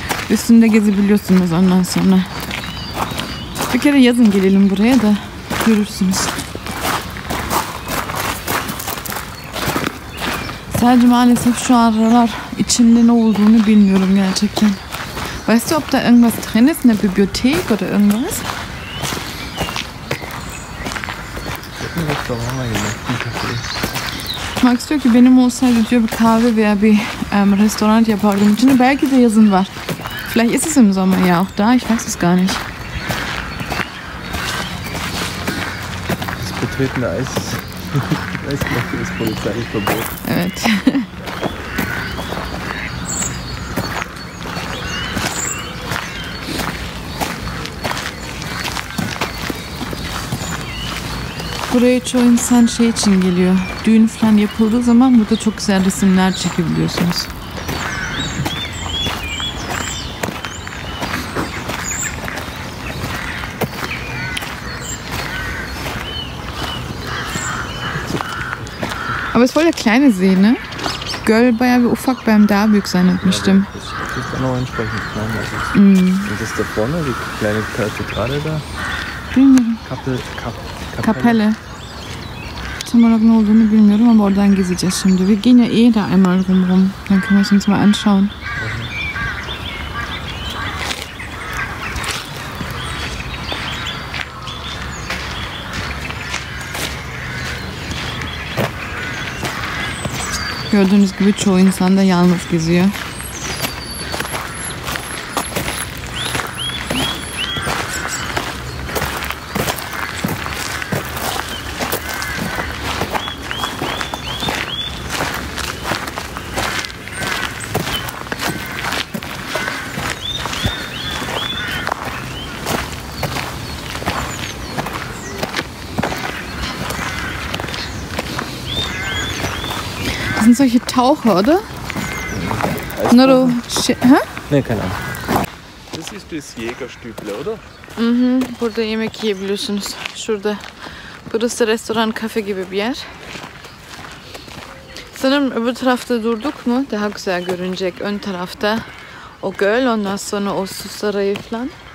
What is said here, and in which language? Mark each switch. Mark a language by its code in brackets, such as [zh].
[tr] Üstünde gezebiliyorsunuz ondan sonra. Bir kere yazın gelelim buraya da görürsünüz. Sadece maalesef şu aralar içinde ne olduğunu bilmiyorum gerçekten. [de] Weißt du, ob da irgendwas drin ist, eine Bibliothek oder irgendwas? [tr] Max diyor ki benim olsaydı diyor bir kahve veya bir restoran yapardım içinde. Belki de yazın var. [de] Vielleicht ist es im Sommer ja auch da, ich weiß es gar nicht. Das betretene Eis Weißt du, das polizeiliche Verbot. [tr] Evet. Buraya çoğu insan şey için geliyor. Düğün falan yapıldığı zaman burada çok güzel resimler çekebiliyorsunuz. [de] Aber es ist voll der kleine See, ne? [tr] Göl bayağı bir ufak, beim daha büyük sein etmiştim. [de] Ja, das ist dann auch entsprechend klein. Also Und das ist da vorne, die kleine Kathedrale da. Kapelle. [tr] Tam olarak ne olduğunu bilmiyorum ama oradan gezeceğiz şimdi. [de] Wir gehen ja eh da einmal rum. Dann können wir uns mal anschauen. [tr] Gördüğünüz gibi çoğu insan da yalnız geziyor. [de] Solche Taucher, oder? Nero, hä? Ne, keine Ahnung. Das ist das Jägerstüble, oder? [tr] Mhm, burada yemek yiyebiliyorsunuz. Şurada. Burası restoran, kafe gibi bir yer. Sanırım öbür tarafta durduk mu? Daha güzel görünecek. Ön tarafta o göl, ondan sonra o su sarayı falan.